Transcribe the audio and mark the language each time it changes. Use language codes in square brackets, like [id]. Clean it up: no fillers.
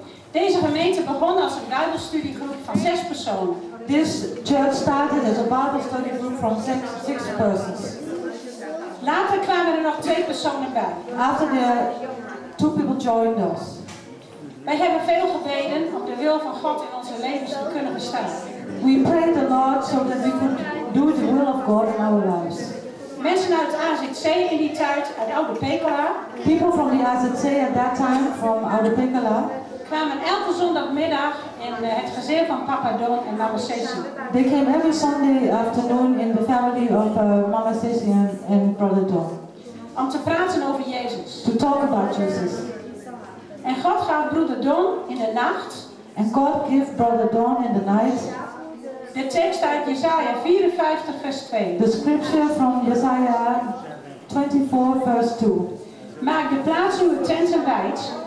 [nl] Deze gemeente begon als een Bijbelstudiegroep van 6 personen. [en] This church started as a Bible study group from 6 persons. [nl] Later kwamen er nog 2 personen bij. [en] After the 2 people joined us. [nl] Wij hebben veel gebeden om de wil van God in onze levens te kunnen bestaan. [en] We prayed a lot so that we could do the will of God in our lives. [nl] Mensen uit AZC in die tijd, uit Oude Pekela. [en] People from the AZC at that time, from Oude Pekela. [nl] Kwamen elke zondagmiddag in het gezin van Papa Don en Mama Ceci. [en] They came every Sunday afternoon in the family of Mama Ceci and Brother Don. [nl] Om te praten over Jezus. [en] To talk about Jesus. [nl] En God gaf Broeder Don in de nacht. [en] And God gave Brother Don in the night. [nl] De tekst uit Jesaja 54 vers 2. [en] The scripture from Jesaja 24 verse 2. [nl] Maak de plaats uw tenten wijd.